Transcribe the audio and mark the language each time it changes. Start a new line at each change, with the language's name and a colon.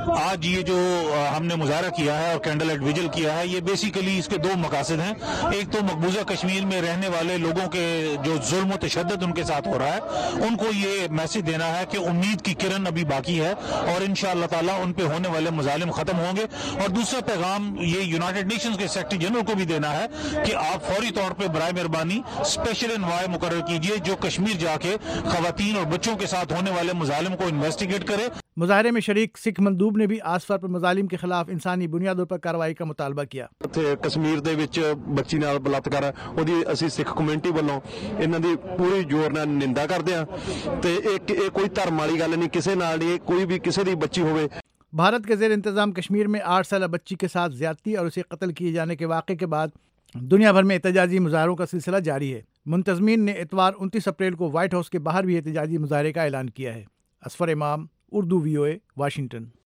Urdu: آج یہ جو ہم نے مظاہرہ کیا ہے اور کینڈل ایٹ ویجل کیا ہے، یہ بیسیکلی اس کے دو مقاصد ہیں، ایک تو مقبوضہ کشمیر میں رہنے والے لوگوں کے جو ظلم و تشدد ان کے ساتھ ہو رہا ہے ان کو یہ میسج دینا ہے کہ امید کی کرن ابھی باقی ہے اور انشاءاللہ تعالی ان پہ ہونے والے مظالم ختم ہوں گے، اور دوسرا پیغام یہ یونائیٹڈ نیشنز کے سیکرٹری جنرل کو بھی دینا ہے کہ آپ فوری طور پہ برائے مہربانی اسپیشل انوائے مقرر کیجیے جو کشمیر جا کے خواتین اور بچوں کے ساتھ ہونے والے مظالم کو انویسٹیگیٹ کرے۔ مظاہرے میں شریک سکھ مندوب نے بھی آصفہ پر مظالم کے خلاف انسانی بنیادوں پر کاروائی کا مطالبہ کیا۔
Punjabi: کشمیر دے وچ بچی نال بلاتکار ہے اودی اسی سکھ کمیونٹی والوں انہاں دی پوری جوڑ نال نندا کردے ہاں تے ایک کوئی دھرم والی گل نہیں، کسے نال نہیں، کوئی بھی کسے دی بچی ہوے۔
Urdu: بھارت کے زیر انتظام کشمیر میں 8 سالہ بچی کے ساتھ زیادتی اور اسے قتل کیے جانے کے واقعے کے بعد دنیا بھر میں احتجاجی مظاہروں کا سلسلہ جاری ہے۔ منتظمین نے اتوار 29 اپریل کو وائٹ ہاؤس کے باہر بھی احتجاجی مظاہرے کا اعلان کیا ہے۔ اسفر امام، اردو وی او اے، واشنگٹن۔